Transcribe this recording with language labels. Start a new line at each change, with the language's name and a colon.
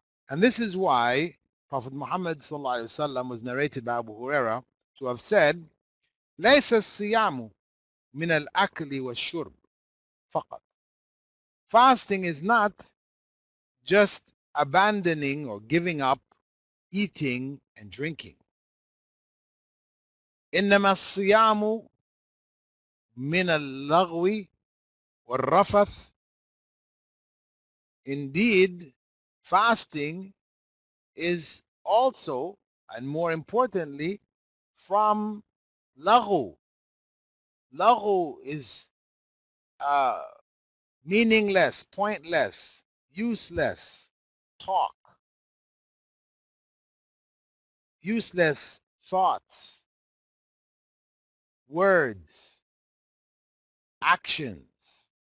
English: And this is why Prophet Muhammad sallallahu alaihi wasallam was narrated by Abu Huraira to have said,
Arabic: "Laysa siyamu min al-akli wa shurb faqat."
English: Fasting is not just abandoning or giving up eating and drinking.
Arabic: إنما الصيام من اللغو والرفث.
English: Indeed, fasting is also, and more importantly, from لغو. لغو is meaningless, pointless, useless talk, useless thoughts, words, actions.